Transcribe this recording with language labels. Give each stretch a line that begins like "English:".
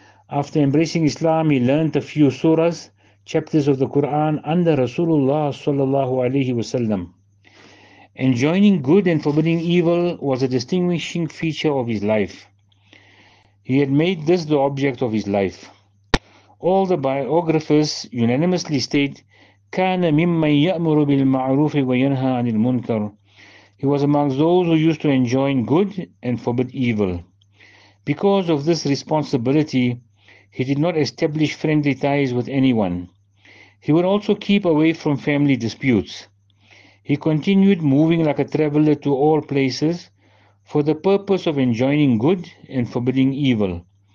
English: After embracing Islam, he learned a few surahs, chapters of the Quran under Rasulullah sallallahu alayhi wa sallam. Enjoining good and forbidding evil was a distinguishing feature of his life. He had made this the object of his life. All the biographers unanimously state,
Arabic: كَانَ مِمَّنْ يَأْمُرُ بِالْمَعْرُوفِ وَيَنْهَى عَنِ الْمُنْكَرِ.
English: He was amongst those who used to enjoin good and forbid evil. Because of this responsibility, he did not establish friendly ties with anyone. He would also keep away from family disputes. He continued moving like a traveler to all places for the purpose of enjoining good and forbidding evil.